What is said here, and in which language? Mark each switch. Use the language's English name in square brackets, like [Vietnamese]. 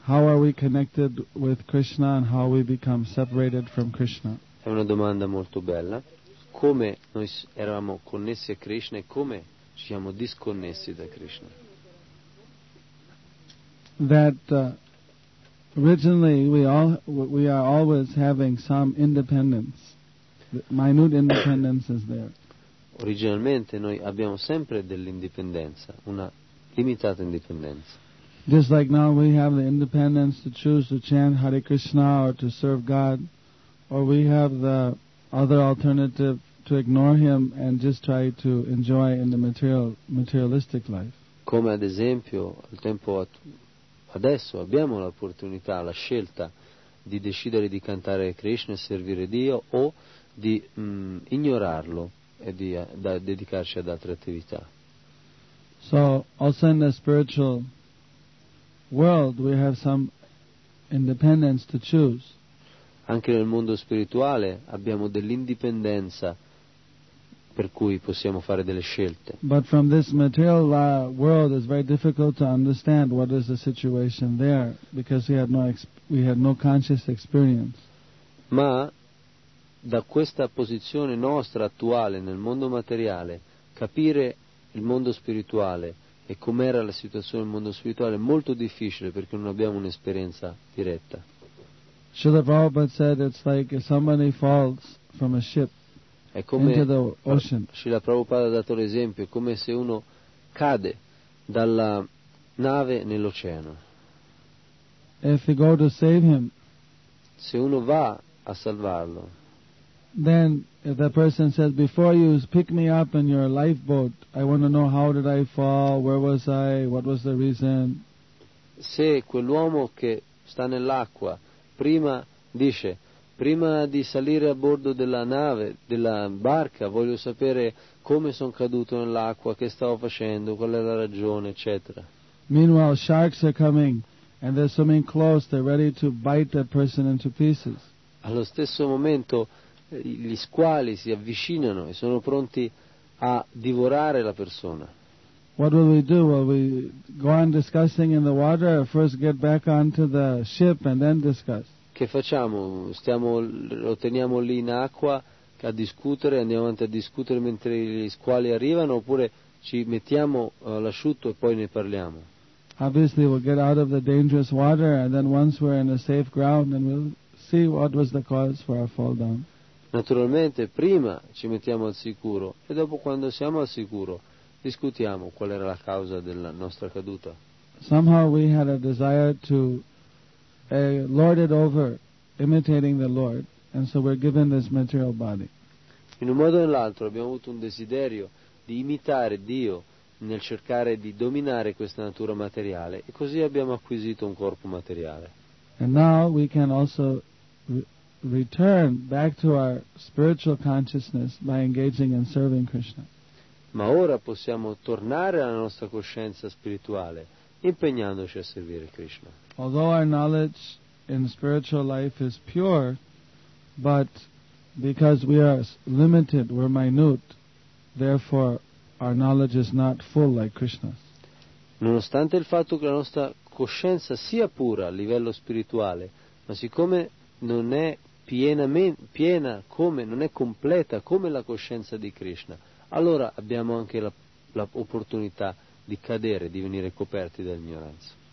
[English] How are we connected with Krishna and how we become separated from Krishna? [Italian] È una domanda molto bella. Come noi eravamo connessi a Krishna e come ci siamo disconnessi da Krishna? [English] That originally we are always having some independence. Minute independence is there. [Italian] Originalmente noi abbiamo sempre dell'indipendenza, una limitata indipendenza. [English] Just like now we have the independence to choose to chant Hare Krishna or to serve God, or we have the other alternative to ignore him and just try to enjoy in the materialistic life. [Italian] Come ad esempio, al tempo adesso abbiamo l'opportunità, la scelta di decidere di cantare Krishna e servire Dio o di ignorarlo e di dedicarci ad altre attività. [English] So also in the spiritual world we have some independence to choose. [Italian] Anche nel mondo spirituale abbiamo dell'indipendenza per cui possiamo fare delle scelte. [English] But from this material world it's very difficult to understand what is the situation there because we had no conscious experience. [Italian] Ma da questa posizione nostra attuale nel mondo materiale capire il mondo spirituale e com'era la situazione nel mondo spirituale è molto difficile perché non abbiamo un'esperienza diretta. [English] Srila Prabhupada said it's like if somebody falls from a ship into the ocean. [Italian] Srila Prabhupada ha dato l'esempio, è come se uno cade dalla nave nell'oceano. [English] If you go to save him, [Italian] se uno va a salvarlo, [English] then if that person says, before you pick me up in your lifeboat, I want to know how did I fall, where was I, what was the reason. [Italian] Se quell'uomo che sta nell'acqua prima dice, prima di salire a bordo della nave, della barca, voglio sapere come sono caduto nell'acqua, che stavo facendo, qual è la ragione, eccetera. [English] Meanwhile, sharks are coming and they're swimming close, they're ready to bite that person into pieces. [Italian] Allo stesso momento gli squali si avvicinano e sono pronti a divorare la persona. [English] What will we do? Will we go on discussing in the water or first get back onto the ship and then discuss? [Italian] Che facciamo? Lo teniamo lì in acqua a discutere, andiamo avanti a discutere mentre gli squali arrivano, oppure ci mettiamo l'asciutto e poi ne parliamo? [English] obviously we'll get out of the dangerous water, and then once we're in a safe ground, then we'll see what was the cause for our fall down. [Italian] Naturalmente, prima ci mettiamo al sicuro, e dopo, quando siamo al sicuro, discutiamo qual era la causa della nostra caduta. [English] Somehow we had a desire to lord it over, imitating the Lord, and so we're given this material body. [Italian] In un modo o nell'altro abbiamo avuto un desiderio di imitare Dio nel cercare di dominare questa natura materiale, e così abbiamo acquisito un corpo materiale. [English] And now we can also return back to our spiritual consciousness by engaging in serving Krishna. [Italian] Ma ora possiamo tornare alla nostra coscienza spirituale impegnandoci a servire Krishna. [English] Although our knowledge in spiritual life is pure, but because we are limited, we're minute, therefore our knowledge is not full like Krishna's. [Italian] Nonostante il fatto che la nostra coscienza sia pura a livello spirituale, ma siccome non è piena come, non è completa come la coscienza di Krishna, allora abbiamo anche l'opportunità di cadere, di venire coperti dall'ignoranza.